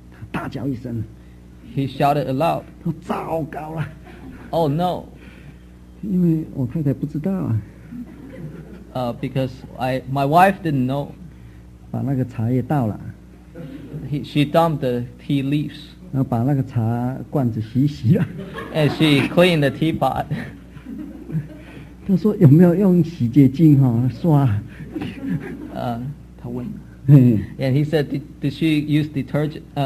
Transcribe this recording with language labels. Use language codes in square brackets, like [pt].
[zh] 大叫一声， [en] he shouted aloud. [zh] 都糟糕了。 [en] Oh no. [zh] 因为我太太不知道啊。 [en] Because my wife didn't know. [zh] 把那个茶叶倒了。 [en] She dumped the tea leaves. [zh] 然后把那个茶罐子洗洗了。 [en] And she cleaned the teapot. [zh] 他说有没有用洗洁精哈刷？他问。 [en] And he said, did she use detergent?